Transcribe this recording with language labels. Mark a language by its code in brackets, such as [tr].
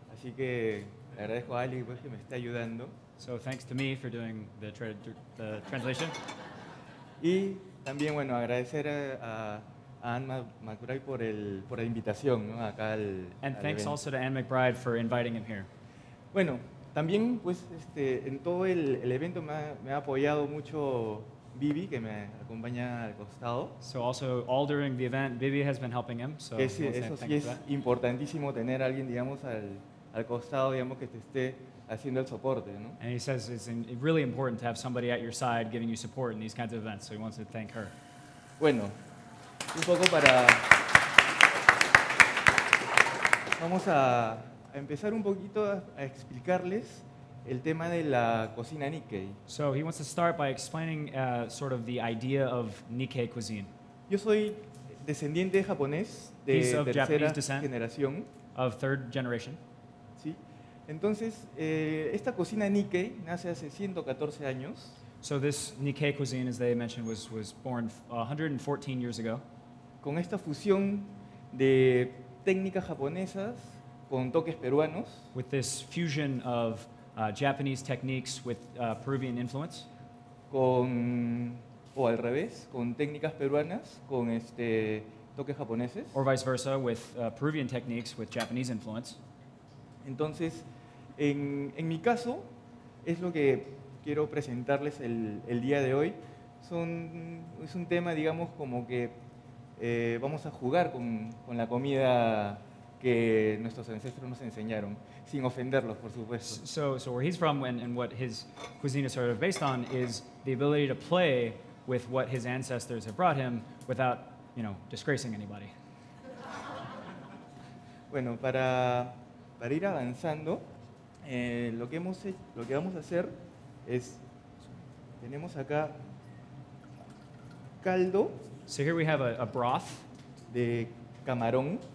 [es] Así que le agradezco a Ali, pues, que me está ayudando. [en] So thanks to me for doing the translation. [es] Y también, bueno, agradecer a Anne McBride por la invitación, ¿no? Acá al [en] And thanks also to Anne McBride for inviting him here. [es] Bueno, también, pues, en todo el evento me ha apoyado mucho Vivi, que me acompaña al costado. [en] So also, all during the event, Vivi has been helping him. So [es] es, eso sí es importantísimo, tener a alguien, digamos, al costado, digamos, que te esté haciendo el soporte, ¿no? [en] And he says it's really important to have somebody at your side giving you support in these kinds of events, so he wants to thank her. [es] Bueno, un poco para... Vamos a empezar un poquito a explicarles el tema de la cocina Nikkei. [en] So he wants to start by explaining sort of the idea of Nikkei cuisine. [es] Yo soy descendiente de japonés de tercera generación. [en] Of third generation. [es] Sí. Entonces, esta cocina Nikkei nace hace 114 años. [en] So this Nikkei cuisine, as they mentioned, was born 114 years ago. [es] Con esta fusión de técnicas japonesas con toques peruanos. [en] With this fusion of Japanese techniques with Peruvian influence. [es] Con, o al revés, con técnicas peruanas con este toques japoneses. [en] Or vice versa, with Peruvian techniques with Japanese influence. [es] Entonces, en mi caso, es lo que quiero presentarles el día de hoy. Es un tema, digamos, como que vamos a jugar con la comida que nuestros ancestros nos enseñaron, sin ofenderlos, por supuesto. [en] So where he's from and what his cuisine is sort of based on is the ability to play with what his ancestors have brought him without, you know, disgracing anybody. [es] Bueno, para ir avanzando, lo que vamos a hacer es, tenemos acá caldo. [en] So here we have a broth. [es] De camarón.